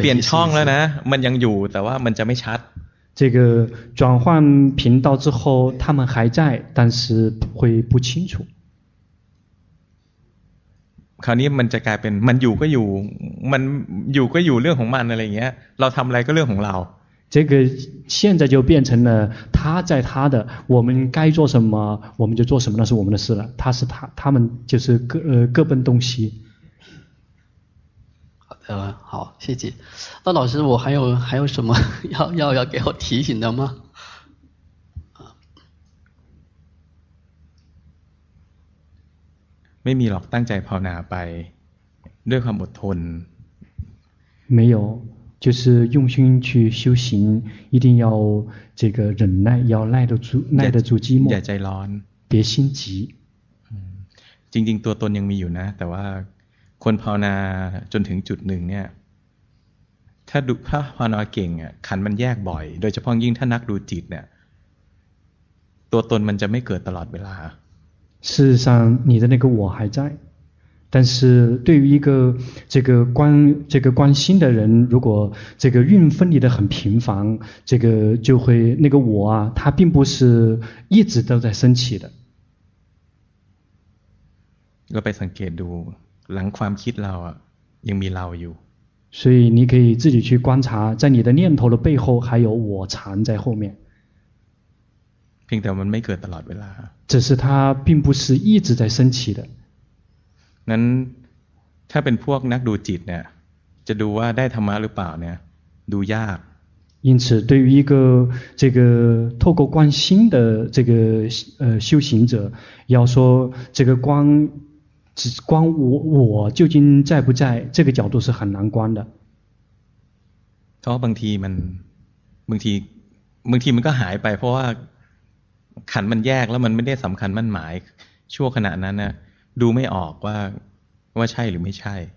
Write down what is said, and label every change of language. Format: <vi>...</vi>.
<zh>变窗了呢</zh> <th>มันยังอยู่แต่ว่ามันจะไม่ชัด</th> <zh>这个转换频道之后他们还在但是会不清楚</zh> <th>คราวนี้มันจะกลายเป็นมันอยู่ก็อยู่มันอยู่ก็อยู่เรื่องของมันอะไรเงี้ยเราทำอะไรก็เรื่องของเรา</th> <zh>这个现在就变成了他在他的我们该做什么我们就做什么那是我们的事了他是他他们就是各奔东西好，谢谢。那老师，我还有什么要给我提醒的吗？没有了，</zh> <th>ตั้งใจภาวนาไปด้วยความอดทน。</th> <zh>没有，就是用心去修行，一定要这个忍耐，要耐得住，耐得住寂寞。</zh> <th>อย่าใจร้อน，</th> <zh>别心急。</zh> <th>จริงๆตัวตนยังมีอยู่นะ，แต่ว่าคนภาวนาจนถึงจุดหนึ่งเนี่ยถ้าดูภาวนาเก่งอ่ะขันมันแยกบ่อยโดยเฉพาะยิ่งถ้านักดูจิตเนี่ยตัวตนมันจะไม่เกิดตลอดเวลา</th> <zh>事实上你的那个我还在但是对于一个这个观心的人如果这个运分离得很频繁这个就会那个我啊它并不是一直都在升起的</zh> <th>เราไปสังเกตดูหลังความคิดเราอ่ะยังมีเราอยู่</th> <zh>所以你可以自己去观察在你的念头的背后还有我藏在后面</zh> <th>เพียงแต่มันไม่เกิดตลอดเวลา</th> <zh>只是它并不是一直在升起的</zh> <th>งั้นถ้าเป็นพวกนักดูจิตเนี่ยจะดูว่าได้ธรรมะหรือเปล่าเนี่ยดูยาก</th> <zh>因此对于一个这个透过观心的这个修行者要说这个观只光我究竟在不在这个角度是很难观的。</zh> <th>เพราะบางทีมันก็หายไปเพราะว่าขันมันแยกแล้วมันไม่ได้สำคัญมั่นหมายชั่วขณะนั้นน่ะดูไม่ออกว่าใช่หรือไม่ใช่</th>